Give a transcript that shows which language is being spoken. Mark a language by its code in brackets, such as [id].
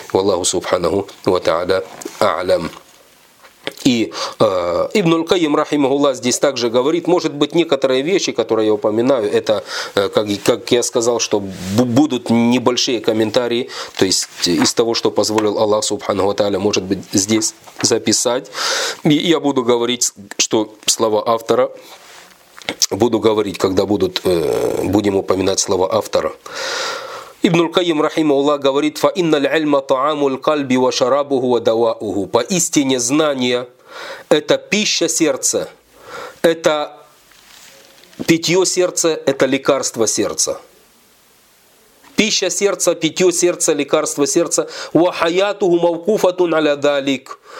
[ru] Валлаху субханаху ва тааля а'лам. И Ибн Аль-Кайим рахимахулла здесь также говорит, может быть, некоторые вещи, которые я упоминаю, это, как я сказал, что будут небольшие комментарии, то есть из того, что позволил Аллах субханаху ва тааля, может быть, здесь записать. И я буду говорить, что слова автора, буду говорить, когда будем упоминать слова автора. Ибн Аль-Кайим рахимахулла говорит, [ar] فَإِنَّ الْعِلْمَ طَعَامُ الْقَلْبِ وَشَرَابُهُ وَدَوَاءُهُ. [ru] Поистине знание – это пища сердца, это питье сердца, это лекарство сердца. Пища сердца, питье сердца, лекарство сердца. [ar] Вахаятуху мавкуфатун аля далик.